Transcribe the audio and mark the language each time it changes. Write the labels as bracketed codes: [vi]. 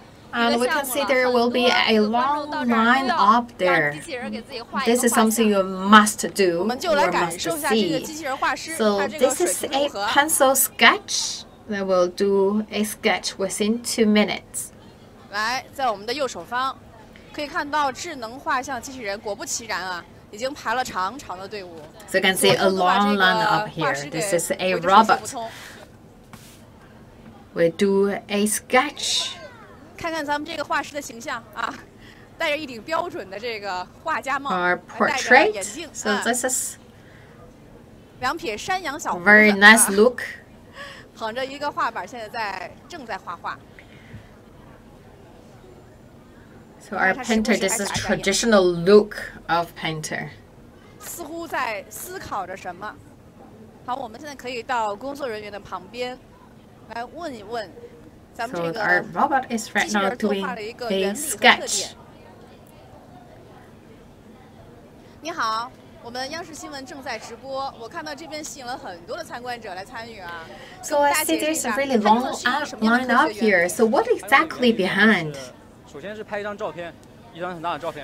[en] And we can see there will be a long line up there. This is something you must do, you must see. So this is a pencil sketch that will do a sketch within 2 minutes. [zh] 来，在我们的右手方，可以看到智能画像机器人果不其然啊，已经排了长长的队伍。 [en] So you can see a long line up here. This is a robot. We do a sketch. [zh] 看看咱们这个画师的形象啊，戴着一顶标准的这个画家帽， [en] Our portrait, [zh] 戴着眼镜， [en] so this is [zh] 两撇山羊小胡子， [en] very nice look， [zh] 捧着一个画板，现在在正在画画。 [en] So our painter, this is traditional look of painter， [zh] 似乎在思考着什么。好，我们现在可以到工作人员的旁边来问一问。 [en] So our robot is right now doing a sketch. [zh] 你好，我们央视新闻正在直播。我看到这边吸引了很多的参观者来参与啊。 [en] So I see there's a really long line up here. So what exactly behind? [zh] 首先是拍一张照片，一张很大的照片。